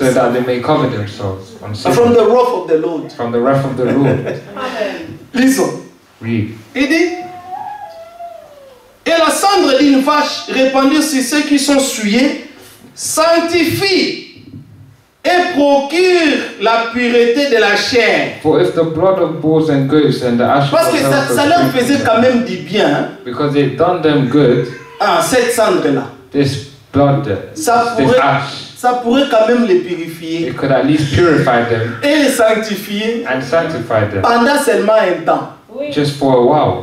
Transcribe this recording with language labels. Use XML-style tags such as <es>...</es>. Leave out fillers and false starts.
<en>So that they may cover themselves on Sunday. From the wrath of the Lord. From the wrath of the Lord. Amen. Listen. Read.</en> <fr>Il dit, et la cendre d'une vache répandue sur ceux qui sont souillés sanctifie et procure la pureté de la chair.</fr> <en>For if the blood of bulls and goats and the ashes.</en> <fr>Parce que ça leur faisait quand même du bien.</fr> <en>Because it done them good.</en> <fr>Ah, cette cendre là.</fr> <en>This blood.</en> <fr>Ça pourrait,</fr> <en>this ash.</en> <fr>ça pourrait quand même les purifier.</fr> <en>It could at least purify them.</en> <fr>Et les sanctifier.</fr> <en>And sanctify them.</en> <fr>Pendant seulement un temps.</fr> <en>Oui. Just for a while.</en>